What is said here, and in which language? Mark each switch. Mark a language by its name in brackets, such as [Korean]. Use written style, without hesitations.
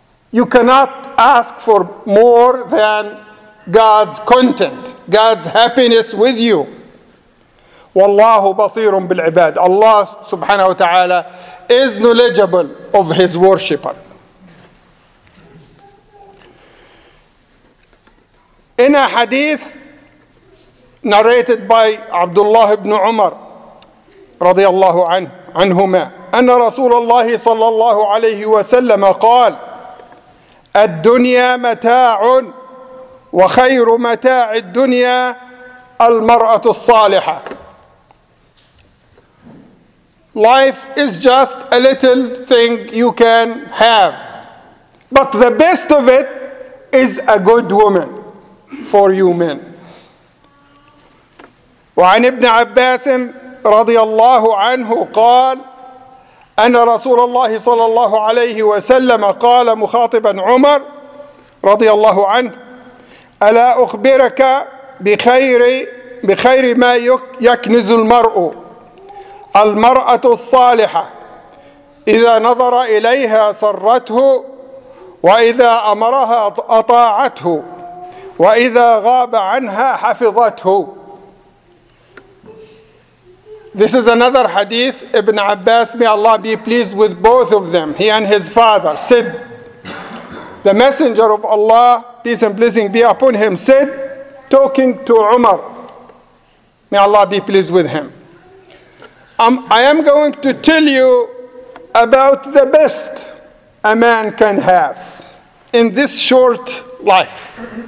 [English] You cannot ask for more than God's content, God's happiness with you. [Arabic] وَاللَّهُ بَصِيرٌ بِالْعِبَادِ. [English] Allah subhanahu wa ta'ala is knowledgeable of His worshipper. In a hadith narrated by Abdullah ibn Umar [Arabic] رضي الله عنهما أن رسول الله صلى الله عليه وسلم قال الدنيا متاع وخير متاع الدنيا المرأة الصالحة. [English] Life is just a little thing you can have. But the best of it is a good woman for you men. [Arabic] وعن ابن عباس رضي الله عنه قال أن رسول الله صلى الله عليه وسلم قال مخاطبا عمر رضي الله عنه ألا أخبرك بخير ما يكنز المرء المرأة الصالحة إذا نظر إليها سرته وإذا أمرها أطاعته وإذا غاب عنها حفظته. [English] This is another hadith. Ibn Abbas, may Allah be pleased with both of them, he and his father, said, the messenger of Allah, peace and blessing be upon him, said, talking to Umar, may Allah be pleased with him, I am going to tell you about the best a man can have in this short life.